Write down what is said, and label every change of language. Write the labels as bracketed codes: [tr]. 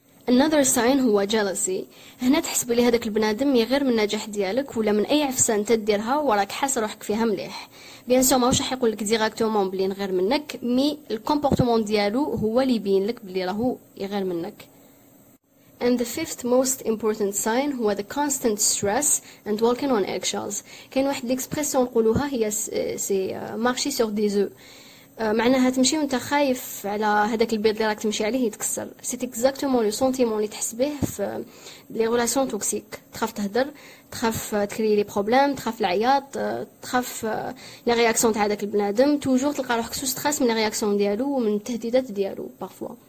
[en] Another sign [ar] هو [en] jealousy. [ar] هنا تحس بلي هذاك البنادم يغير من النجاح ديالك ولا من اي عفسه انت ديرها، وراك حاس روحك فيها مليح. [fr] بيان سو [ar] ماهوش راح يقول لك [fr] ديراكتومون [ar] بلي غير منك، [fr] مي الكومبورتمون [ar] ديالو هو اللي يبين لك بلي راهو يغير منك. [en] And the fifth most important sign [ar] هو [en] the constant stress and walking on eggshells. [ar] كاين واحد الاكسبريسيون نقولوها هي [fr] سي مارشي سور دي زو، [ar] معناها تمشي وانت خايف على هذاك البيض اللي راك تمشي عليه يتكسر. [fr] سي اكزاكتومون لو سونتيمون [ar] اللي تحس به في [fr] لي ريلاسيون توكسيك. [ar] تخاف تهدر، تخاف تكري [fr] لي بروبليم، [ar] تخاف العياط، تخاف [fr] لي رياكسيون [ar] تاع هذاك البنادم. توجور تلقى روحك [fr] سو ستريس [ar] من لي رياكسيون ديالو ومن التهديدات ديالو [fr] بارفوا.